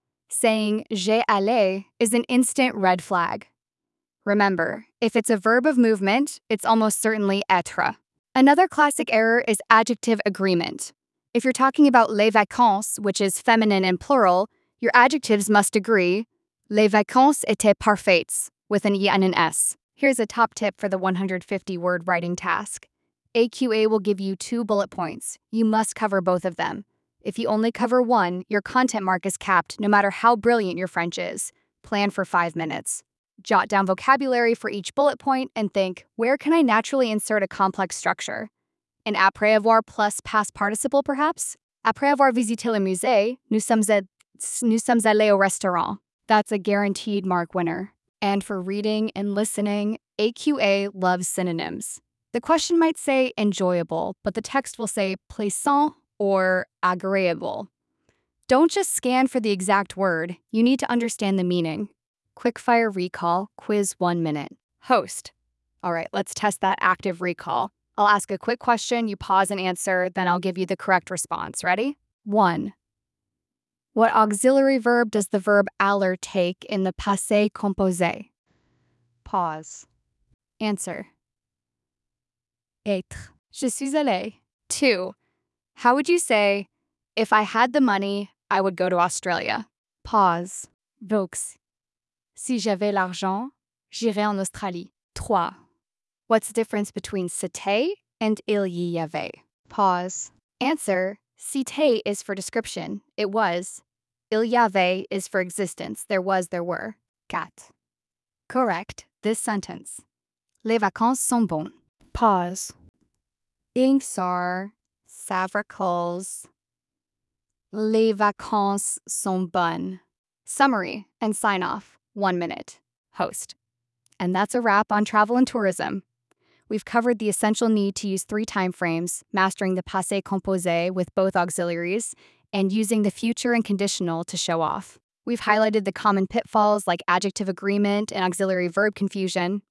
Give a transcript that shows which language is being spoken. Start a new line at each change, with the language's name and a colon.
English: Saying
French: j'ai allé
English: is an instant red flag. Remember, if it's a verb of movement, it's almost certainly être. Another classic error is adjective agreement. If you're talking about les vacances, which is feminine and plural, your adjectives must agree.
French: Les vacances étaient parfaites,
English: with an E and an S. Here's a top tip for the 150-word writing task. AQA will give you 2 bullet points. You must cover both of them. If you only cover one, your content mark is capped, no matter how brilliant your French is. Plan for 5 minutes. Jot down vocabulary for each bullet point and think, where can I naturally insert a complex structure? An après avoir plus past participle, perhaps?
French: Après avoir visité le musée, nous sommes allés au restaurant.
English: That's a guaranteed mark winner. And for reading and listening, AQA loves synonyms. The question might say enjoyable, but the text will say plaisant or agréable. Don't just scan for the exact word. You need to understand the meaning. Quickfire recall, quiz 1 minute. Host. All right, let's test that active recall. I'll ask a quick question, you pause and answer, then I'll give you the correct response. Ready? 1. What auxiliary verb does the verb aller take in the passé composé? Pause. Answer.
French: Être. Je suis allé. 2.
English: How would you say, if I had the money, I would go to Australia? Pause. Vaux.
French: Si j'avais l'argent, j'irais en Australie.
English: 3. What's the difference between c'était and il y avait? Pause. Answer. C'était is for description. It was. Il y avait is for existence. There was, there were. Quatre. Correct this sentence.
French: Les vacances sont bonnes.
English: Pause. Inks are savricles.
French: Les vacances sont bonnes.
English: Summary and sign off. 1 minute. Host. And that's a wrap on travel and tourism. We've covered the essential need to use three time frames, mastering the passé composé with both auxiliaries, and using the future and conditional to show off. We've highlighted the common pitfalls like adjective agreement and auxiliary verb confusion.